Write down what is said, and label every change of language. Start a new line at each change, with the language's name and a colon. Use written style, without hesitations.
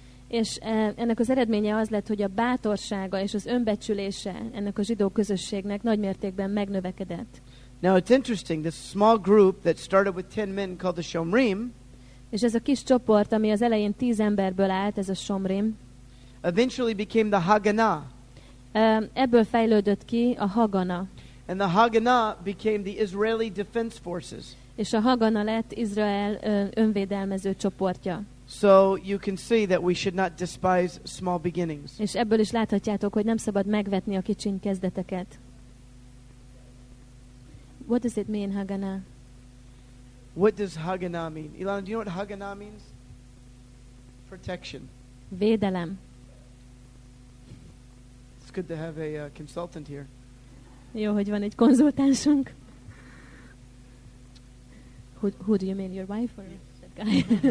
Hungarian: És ennek az eredménye az lett, hogy a bátorsága és az önbecsülése ennek a zsidó közösségnek nagy mértékben megnövekedett.
English: Now it's interesting, this small group that started with 10 men called the Shomrim.
Hungarian: És ez a kis csoport, ami az elején 10 emberből állt, ez a Shomrim.
English: Eventually became the Haganah.
Hungarian: Ebből fejlődött ki a Haganah.
English: And the Haganah became the Israeli Defense Forces.
Hungarian: És a Haganah lett Izrael önvédelmező csoportja.
English: So you can see that we should not despise small beginnings.
Hungarian: És ebből is láthatjátok, hogy nem szabad megvetni a kicsiny kezdeteket.
English: What does it mean, Haganah? What does Haganah mean? Ilana, do you know what Haganah means? Protection.
Hungarian: Védelem.
English: It's good to have a consultant here.
Hungarian: Jó, hogy van egy konzultánsunk.
English: Who do you mean, your wife or that guy?